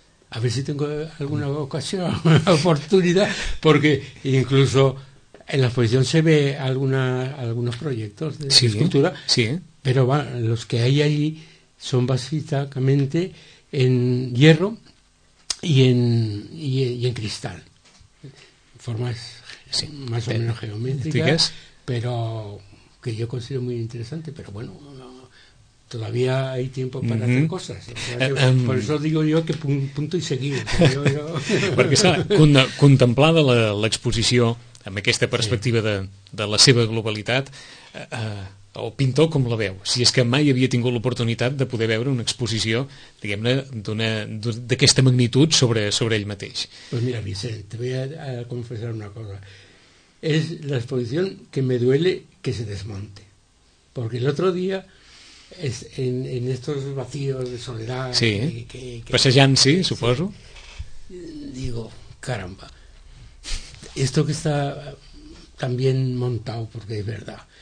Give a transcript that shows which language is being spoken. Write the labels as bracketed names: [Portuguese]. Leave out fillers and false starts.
[Spanish] A ver si tengo alguna ocasión, alguna oportunidad, porque incluso en la exposición se ve algunos proyectos de escultura, pero bueno, los que hay allí son básicamente en hierro y en cristal. Formas más o menos geométricas. Pero que yo considero muy interesante, pero bueno, todavía hay tiempo para hacer cosas. Por eso digo yo que punto y seguido. [Catalan] Perquè, clar, contemplada l'exposició amb aquesta perspectiva de la seva globalitat, el pintor com la veu? Si és que mai havia tingut l'oportunitat de poder veure una exposició, diguem-ne, d'aquesta magnitud sobre ell mateix. [Spanish] Pues mira, Vicent, te voy a confesar una cosa. Es la exposición que me duele que se desmonte. Porque el otro día, en estos vacíos de soledad... [Catalan] Sí, que, passejant, sí, suposo. Sí. [Spanish] Digo, caramba, esto que está tan bien montado, porque es verdad...